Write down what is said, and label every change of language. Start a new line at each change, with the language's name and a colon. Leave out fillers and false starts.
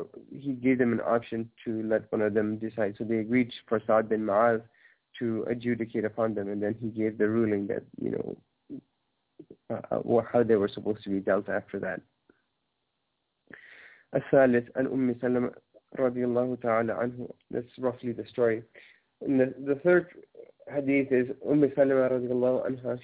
English: He gave them an option to let one of them decide. So they agreed for Sa'ad bin Ma'az to adjudicate upon them, and then he gave the ruling that, you know, how they were supposed to be dealt after that.
Arabic: الثالث عن أم سلمة رضي الله تعالى عنه.
English: That's roughly the story. And the third hadith is
Arabic: أم سلمة رضي الله عنها.